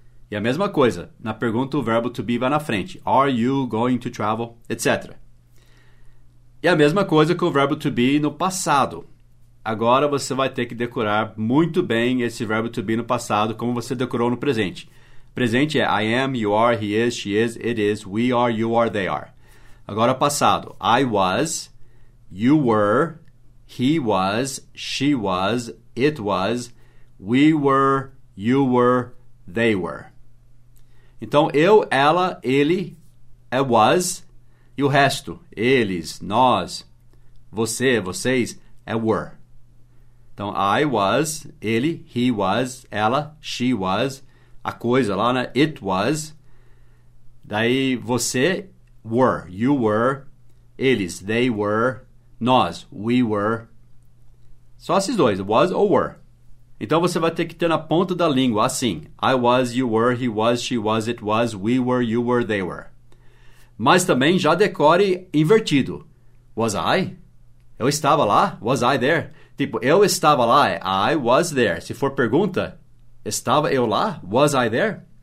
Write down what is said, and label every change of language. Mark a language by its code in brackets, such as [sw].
[pt] E a mesma coisa, na pergunta o verbo to be vai na frente. [en] Are you going to travel? [pt] Etc. E a mesma coisa com o verbo to be no passado. Agora você vai ter que decorar muito bem esse verbo to be no passado, como você decorou no presente. Presente é [en] I am, you are, he is, she is, it is, we are, you are, they are. [pt] Agora passado. [en] I was, you were, he was, she was, it was, we were, you were, they were. [pt] Então, eu, ela, ele, é was, e o resto, eles, nós, você, vocês, é were. Então, [en] I was, [pt] ele, [en] he was, [pt] ela, [en] she was, [pt] a coisa lá, né? [en] It was, [pt] daí você, [en] were, you were, eles, they were, nós, we were. [pt] Só esses dois, was ou were. Então, você vai ter que ter na ponta da língua, assim. [en] I was, you were, he was, she was, it was, we were, you were, they were. [pt] Mas também já decore invertido. [en] Was I? [pt] Eu estava lá? [en] Was I there? [pt] Tipo, eu estava lá, [en] I was there. [pt] Se for pergunta, estava eu lá? [en] Was I there?